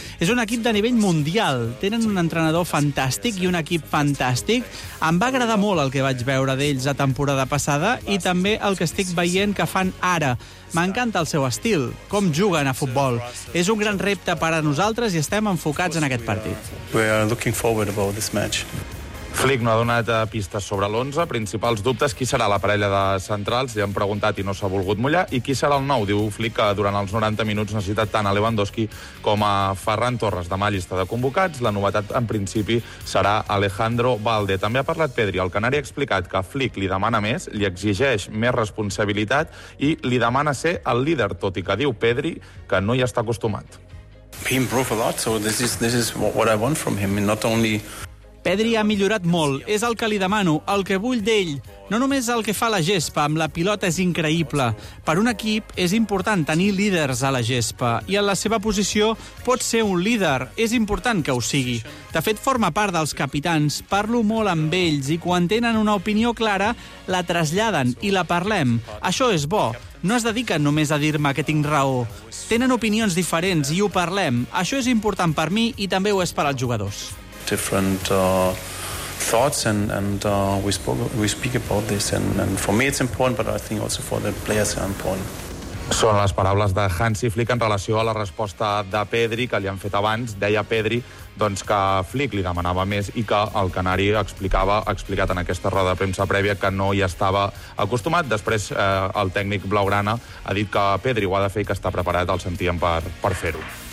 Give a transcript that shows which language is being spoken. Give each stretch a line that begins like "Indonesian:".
Catalan: És un equip de nivell mundial. Tenen un entrenador fantàstic i un equip fantàstic. Em va agradar molt el que vaig veure d'ells la temporada passada i també el que estic veient que fan ara. M'encanta el seu estil, com juguen a futbol. És un gran repte per a nosaltres i estem enfocats en aquest partit.
English: We are looking forward about this match.
Catalan: Flick no ha donat pistes sobre l'11. Principals dubtes, qui serà la parella de centrals? Li han preguntat i no s'ha volgut mullar. I qui serà el nou? Diu Flick que durant els 90 minuts necessita tant a Lewandowski com a Ferran Torres. Demà llista de convocats. La novetat, en principi, serà Alejandro Valde. També ha parlat Pedri. El canari ha explicat que Flick li demana més, li exigeix més responsabilitat i li demana ser el líder, tot i que diu Pedri que no hi està acostumat.
English: He improved a lot, so this is what I want from him. Not only...
Catalan: Pedri ha millorat molt, és el que li demano, el que vull d'ell. No només el que fa la gespa, amb la pilota és increïble. Per un equip és important tenir líders a la gespa i en la seva posició pot ser un líder, és important que ho sigui. De fet, forma part dels capitans, parlo molt amb ells i quan tenen una opinió clara la traslladen i la parlem. Això és bo. No es dediquen només a dir-me que tinc raó. Tenen opinions diferents i ho parlem. Això és important per mi i també ho és per als jugadors.
English: Different thoughts and we speak about this and for me it's important but I think also for the players it's important.
Catalan: Són les paraules de Hansi Flick en relació a la resposta de Pedri que li han fet abans. Deia Pedri doncs, que Flick li demanava més i que el canari explicava, explicat en aquesta roda de premsa prèvia, que no hi estava acostumat. Després el tècnic blaugrana ha dit que Pedri ho ha de fer i que està preparat, el sentíem per fer-ho.